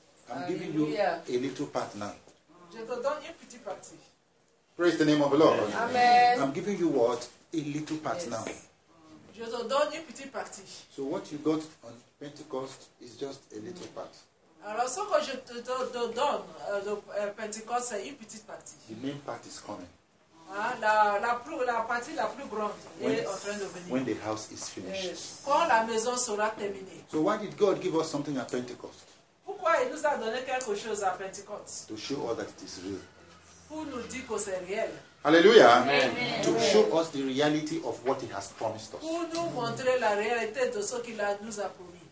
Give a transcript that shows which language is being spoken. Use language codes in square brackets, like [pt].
[en] I'm Amen. Giving you a little part now. [fr] Je te donne une petite partie. [en] Praise the name of the Lord. Amen. I'm giving you what? A little part yes. now. [fr] Je te donne une petite partie. [en] So what you got on Pentecost is just a little part. [fr] Alors ce que je te donne de Pentecost, c'est une petite partie. [en] The main part is coming. [fr] La partie la plus grande [en] when, [fr] est en train de venir. [en] When the house is finished. Yes. [fr] Quand la maison sera terminée. [en] So why did God give us something at Pentecost? [fr] Pourquoi il nous a donné quelque chose à Pentecost? [en] To show us that it is real. [fr] Pour nous dire que c'est réel. [en] Hallelujah. Amen. To show us the reality of what he has promised us. [fr] Pour nous montrer la réalité de ce qu'il nous a promis.